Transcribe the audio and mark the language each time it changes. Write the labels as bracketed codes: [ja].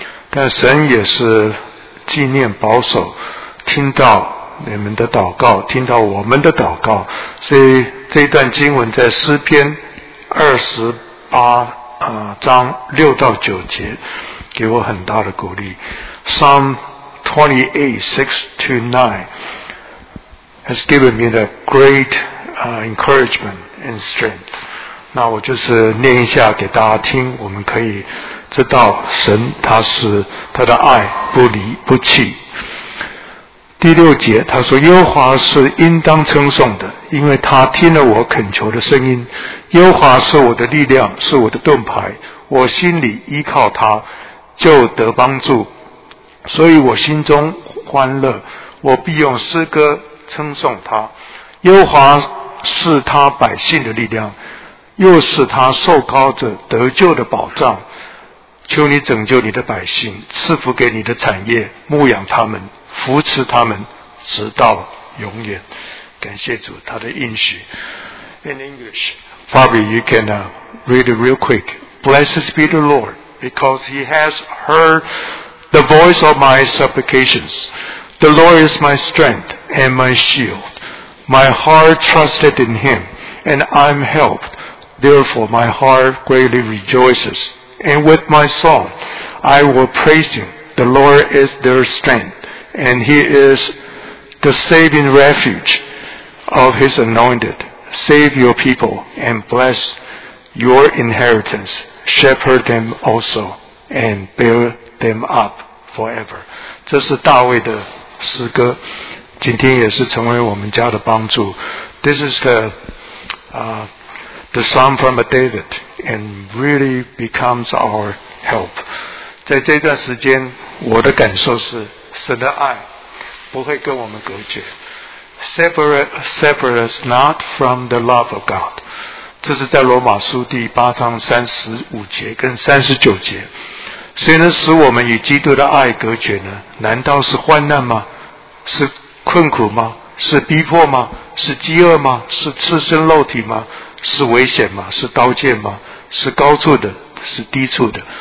[zh] 但神也是纪念保守，听到你们的祷告，听到我们的祷告。所以这一段经文在诗篇28章六到九节给我很大的鼓励。 [en] Psalm 28:6-9 has given me the great encouragement and strength. [zh] 那我就是念一下给大家听，我们可以知道神他的爱不离不弃。第六节他说，耶和华是应当称颂的，因为他听了我恳求的声音。耶和华是我的力量，是我的盾牌，我心里依靠他就得帮助，所以我心中欢乐，我必用诗歌称颂他。耶和华是他百姓的力量，又是他受膏者得救的保障。求你拯救你的百姓，赐福给你的产业，牧养他们，扶持他们，直到永远。感谢主，他的应许。 [en] In English, Fabi, you can read it real quick. Blessed be the Lord, because he has heard the voice of my supplications. The Lord is my strength and my shield. My heart trusted in him, and I'm helped. Therefore, my heart greatly rejoices. And with my song, I will praise him. The Lord is their strength. And he is the saving refuge of his anointed. Save your people and bless your inheritance. Shepherd them also and bear them up forever. [zh] 这是大卫的诗歌，今天也是成为我们家的帮助。 [en] This is the psalm from David and really becomes our help. [zh] 在这段时间我的感受是神的爱不会跟我们隔绝。 [en] Separate us not from the love of God. [zh] 这是在罗马书第八章35节跟39节。谁能使我们与基督的爱隔绝呢？难道是患难吗？是困苦吗？是逼迫吗？是饥饿吗？是赤身肉体吗？是危险吗？是刀剑吗？是高处的？是低处的？